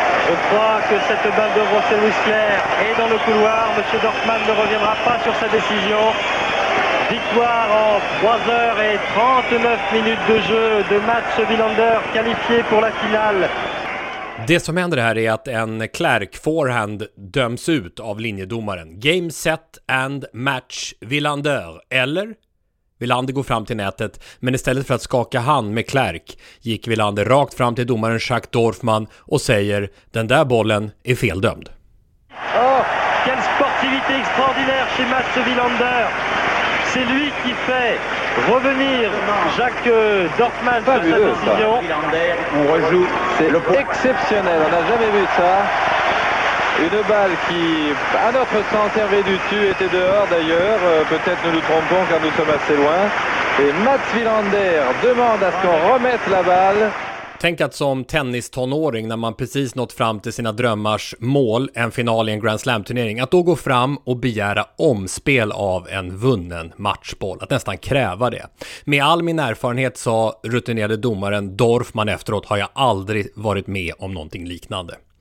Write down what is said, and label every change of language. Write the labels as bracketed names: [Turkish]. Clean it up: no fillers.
[French] Je crois que cette balle de José Luis Clerc est dans le couloir. Monsieur Dorfman ne reviendra pas sur sa décision. Victoire en 3h et 39 minutes de jeu de match. Wilander qualifié pour la finale. [Swedish] Det som händer här är att en Clerc forehand döms ut av linjedomaren. [English] Game, set and match, Wilander. [Swedish] Eller? Wilander går fram till nätet, men istället för att skaka hand med Clerc gick Wilander rakt fram till domaren Jacques Dorfman och säger, den där bollen är feldömd. [French] Oh, quelle sportivité extraordinaire chez Mats Wilander. C'est lui qui fait revenir Jacques Dorfman sur sa décision. On rejoue. C'est exceptionnel. On n'a jamais vu ça. Une balle qui, à notre sens, Hervé Dutu était dehors d'ailleurs. Peut-être nous nous trompons car nous sommes assez loin. Et Mats Wilander demande à ce qu'on remette la balle. [Swedish] Tänk att som tennistonåring när man precis nått fram till sina drömmars mål, en final i en Grand Slam-turnering, att då gå fram och begära omspel av en vunnen matchboll. Att nästan kräva det. Med all min erfarenhet, sa rutinerade domaren Dorfman efteråt, har jag aldrig varit med om någonting liknande.